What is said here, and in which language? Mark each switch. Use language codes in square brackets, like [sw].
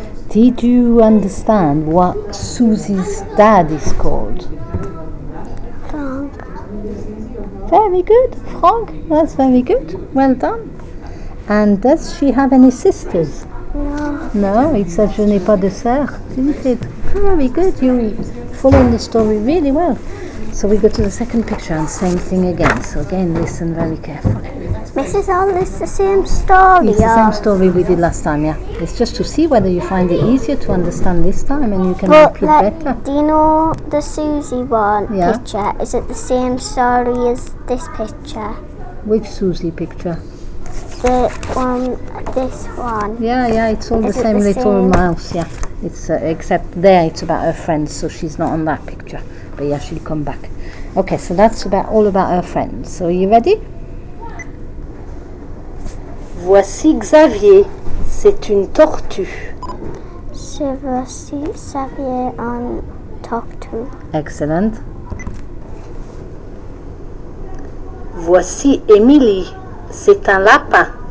[en] Did you understand what Susie's dad is called? Franck. Very good, Franck. That's very good. Well done. And does she have any sisters? No. No, it says [fr] je n'ai pas de sœur, [en] didn't it? Very good. You're following the story really well. So we go to the second picture and same thing again. So again, listen very carefully. This is all this the same story. It's the same story we did last time, yeah. It's just to see whether you find it easier to understand this time and you can but help you better. Do you know the Susie one picture? Is it the same story as this picture? Which Susie picture? The one, this one. Yeah, it's all is the same the little same? Mouse, yeah. It's except there it's about her friends, so she's not on that picture. But yeah, she'll come back. Okay, so that's about all about her friends. So are you ready? [fr] Voici Xavier, c'est une tortue. C'est voici Xavier en tortue. [en] Excellent. [fr] Voici Émilie, c'est un lapin.